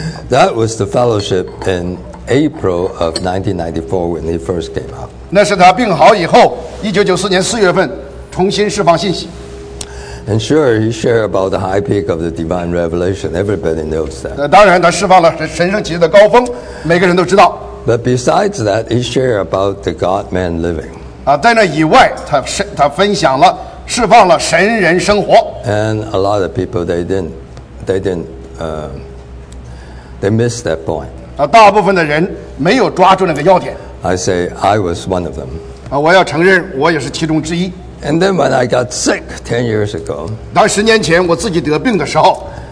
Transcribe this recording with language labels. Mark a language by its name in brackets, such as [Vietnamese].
[English] That was the fellowship in April of 1994 when he first came out. [Chinese] 那是他病好以后，1994年四月份重新释放信息。 [English] And sure, he shared about the high peak of the divine revelation. Everybody knows that. [Chinese] 当然，他释放了神圣启示的高峰，每个人都知道。 [English] But besides that, he shared about the God-man living. [Chinese] 在那以外，他分享了释放了神人生活。 [English] And a lot of people they missed that point. [Chinese] 大部分的人没有抓住那个要点。 [English] I say I was one of them. [Chinese] 我要承认，我也是其中之一。 [English] And then when I got sick 10 years ago, [Chinese] 当十年前我自己得病的时候，